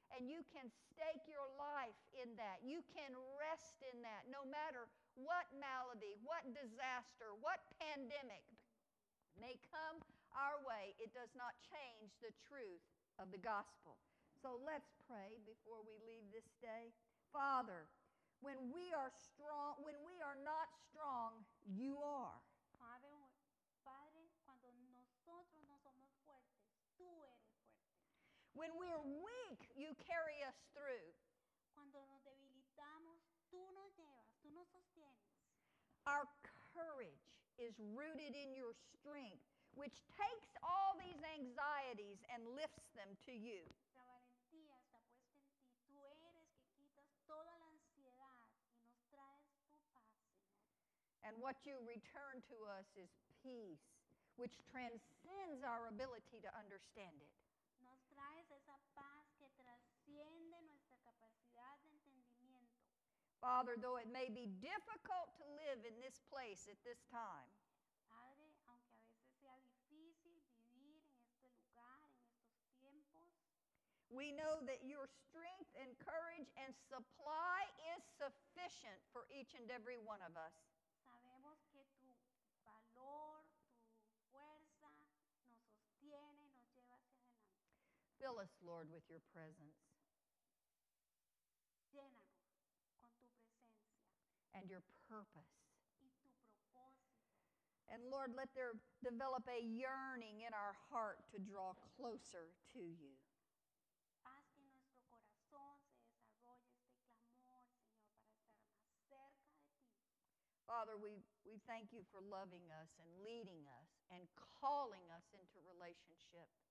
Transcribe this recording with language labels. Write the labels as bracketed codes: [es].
[en] And you can stake your life in that. You can rest in that no matter what malady, what disaster, what pandemic may come our way. It does not change the truth of the gospel. So let's pray before we leave this day. Father, when we are strong, when we are not strong, you are. [es] Padre, cuando nosotros no somos fuertes, tú eres fuerte. [en] When we are weak, you carry us through. [es] Cuando nos debilitamos, tú nos llevas, tú nos sostienes. [en] Our courage is rooted in your strength, which takes all these anxieties and lifts them to you. [es] La valentía está puesta en ti. Tú eres que quitas toda la ansiedad y nos traes tu paz. [en] And what you return to us is peace, which transcends our ability to understand it. [es] Nos traes esa paz que trasciende nuestra capacidad de entendimiento. [en] Father, though it may be difficult to live in this place at this time, [es] Padre, aunque a veces sea difícil vivir en este lugar, en estos tiempos, [en] we know that your strength and courage and supply is sufficient for each and every one of us. [es] Sabemos que tu valor, tu fuerza nos sostiene, nos lleva hacia adelante. [en] Fill us, Lord, with your presence. [es] Llénanos con tu presencia. [en] And your purpose. [es] Y tu propósito. [en] And Lord, let there develop a yearning in our heart to draw closer to you. [es] Haz que nuestro corazón se desarrolle este clamor, Señor, para estar más cerca. [en] Father, we thank you for loving us and leading us and calling us into relationship.